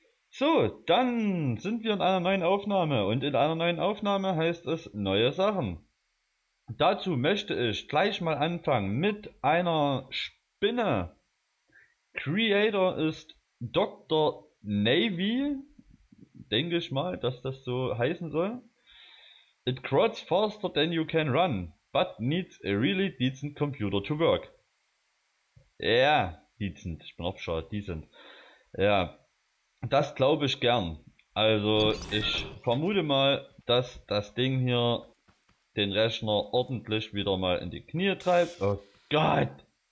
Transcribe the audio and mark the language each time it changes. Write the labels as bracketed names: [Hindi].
[German] So, dann sind wir in einer neuen Aufnahme. Und in einer neuen Aufnahme heißt es neue Sachen. Dazu möchte ich gleich mal anfangen mit einer Spinne. Creator ist Dr. Navy. Denke ich mal, dass das so heißen soll. [English] It crawls faster than you can run, but needs a really decent computer to work. [German] Ja, decent. Ich bin auch schon decent. Ja, das glaube ich gern. Also ich vermute mal, dass das Ding hier den Rechner ordentlich wieder mal in die Knie treibt. Oh Gott!